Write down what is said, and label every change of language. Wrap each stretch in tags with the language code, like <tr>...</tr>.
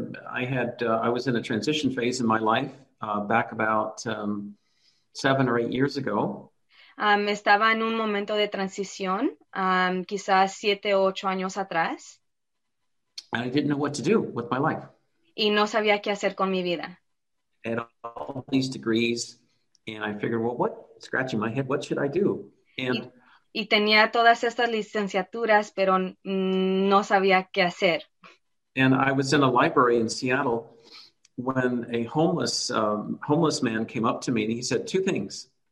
<en>I was in a transition phase in my life back about 7 or 8 years ago.</en> <es>Estaba en un momento de transición, quizás 7 o 8 años atrás.</es> <en>And I didn't know what to do with my life.</en> <es>Y no sabía qué hacer con mi vida.</es> <en>And all these degrees, and I figured, well, what? Scratching my head, what should I do? And</en> <es>y tenía todas estas licenciaturas, pero no sabía qué hacer.</es> <en>And I was in a library in Seattle when a homeless man came up to me and he said two things.</en>